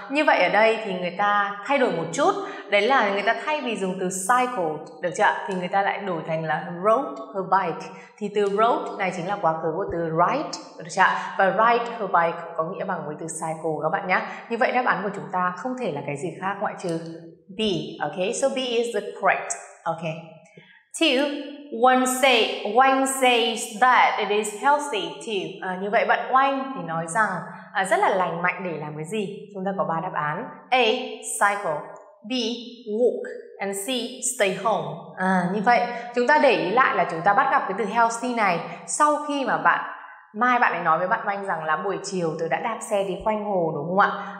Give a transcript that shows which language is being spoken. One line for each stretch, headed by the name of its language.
Vietnamese: Như vậy ở đây thì người ta thay đổi một chút, đấy là người ta thay vì dùng từ cycle, được chưa ạ? Thì người ta lại đổi thành là rode her bike. Thì từ rode này chính là quá khứ của từ ride, được chưa ạ? Và ride her bike có nghĩa bằng với từ cycle các bạn nhé. Như vậy đáp án của chúng ta không thể là cái gì khác ngoại trừ B.
English: Okay, so B is the correct. Okay. Two, Wayne says that it is healthy too.
Vietnamese: À, như vậy bạn Wayne thì nói rằng rất là lành mạnh để làm cái gì? Chúng ta có 3 đáp án. A, cycle. B, walk.
English: And C, stay home.
Vietnamese: À, như vậy chúng ta để ý lại là chúng ta bắt gặp cái từ healthy này sau khi mà bạn Mai bạn ấy nói với bạn Oanh rằng là buổi chiều tớ đã đạp xe đi quanh hồ, đúng không ạ?